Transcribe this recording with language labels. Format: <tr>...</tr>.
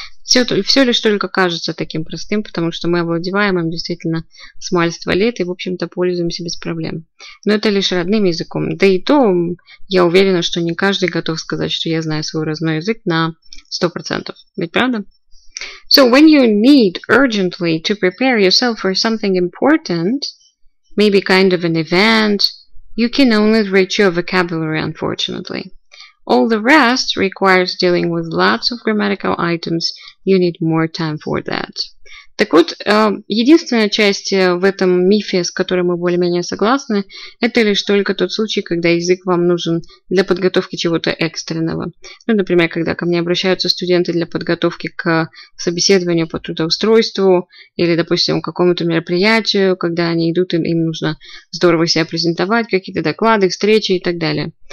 <ru>Все лишь только кажется таким простым, потому что мы овладеваем им действительно с мальства лет и, в общем-то, пользуемся без проблем. Но это лишь родным языком. Да и то, я уверена, что не каждый готов сказать, что я знаю свой родной язык на 100%. Ведь правда?</ru> <en>So, when you need urgently to prepare yourself for something important, maybe kind of an event, you can only reach your vocabulary, unfortunately. All the rest requires dealing with lots of grammatical items. You need more time for that.</en> <ru>Так вот, единственная часть в этом мифе, с которой мы более-менее согласны, это лишь только тот случай, когда язык вам нужен для подготовки чего-то экстренного. Ну, например, когда ко мне обращаются студенты для подготовки к собеседованию по трудоустройству или, допустим, к какому-то мероприятию, когда они идут, им нужно здорово себя презентовать, какие-то доклады, встречи и так далее.</ru>